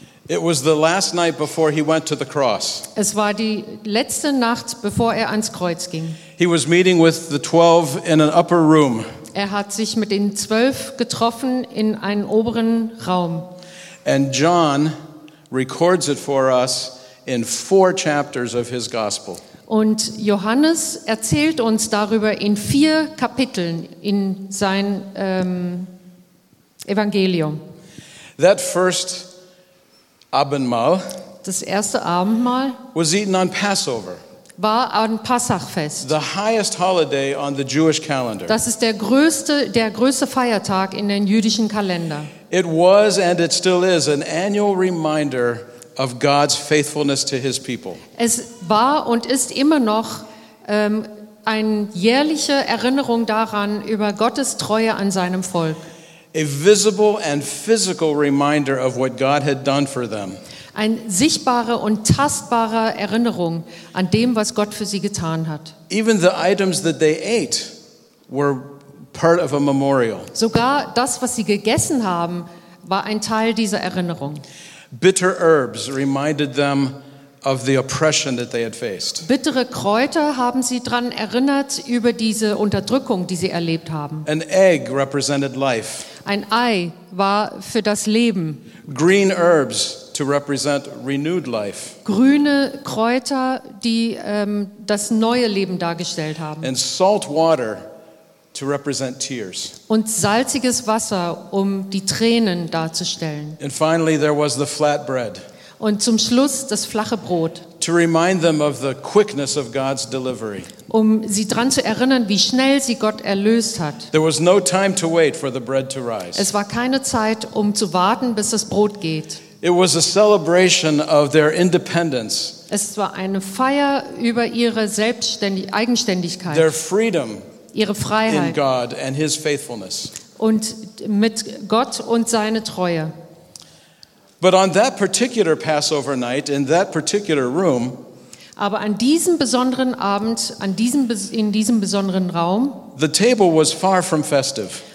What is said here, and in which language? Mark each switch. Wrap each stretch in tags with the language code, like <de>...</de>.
<en>It was the last night before he went to the cross.</en> <de>Es war die letzte Nacht, bevor er ans Kreuz ging.</de> <en>He was meeting with the 12 in an upper room.</en> <de>Er hat sich mit den 12 getroffen in einem oberen Raum.</de> <en>And John records it for us in 4 chapters of his gospel.</en> <de>Und Johannes erzählt uns darüber in 4 Kapiteln in sein Evangelium.</de> <en>That first Abendmahl,</en> <de>das erste Abendmahl,</de> <en>was eaten on Passover.</en> <de>War an Passachfest.</de> <en>The highest holiday on the Jewish calendar.</en> <de>Das ist der größte Feiertag in den jüdischen Kalender.</de> <en>It was and it still is an annual reminder of God's faithfulness to his people.</en> <de>Es war und ist immer noch eine jährliche Erinnerung daran über Gottes Treue an seinem Volk.</de> <en>A visible and physical reminder of what God had done for them.</en> <de>Ein sichtbarer und tastbarer Erinnerung an dem, was Gott für sie getan hat.</de> <en>Even the items that they ate were part of a memorial.</en> <de>Sogar das, was sie gegessen haben, war ein Teil dieser Erinnerung.</de> <en>Bitter herbs reminded them of the oppression that they had faced.</en> <de>Bittere Kräuter haben sie dran erinnert über diese Unterdrückung, die sie erlebt haben.</de> <en>An egg represented life.</en> <de>Ein Ei war für das Leben.</de> <en>Green herbs to represent renewed life.</en> <de>Grüne Kräuter, die das neue Leben dargestellt haben.</de> <en>And salt water to represent tears.</en> <de>Und salziges Wasser, um die Tränen darzustellen.</de> <en>And finally there was the flat bread.</en> <de>Und zum Schluss das flache Brot.</de> <en>To remind them of the quickness of God's delivery.</en> <de>Um sie dran zu erinnern, wie schnell sie Gott erlöst hat.</de> <en>There was no time to wait for the bread to rise.</en> <de>Es war keine Zeit, um zu warten, bis das Brot geht.</de> <en>It was a celebration of their independence.</en> <de>Es war eine Feier über ihre Eigenständigkeit.</de> <en>Their freedom.</en> <de>Ihre Freiheit.</de> <en>In God and his faithfulness.</en> <de>Und mit Gott und seine Treue.</de> <en>But on that particular Passover night in that particular room,</en> <de>aber an diesem besonderen Abend, in diesem besonderen Raum,</de> <en>the table was far from festive.</en>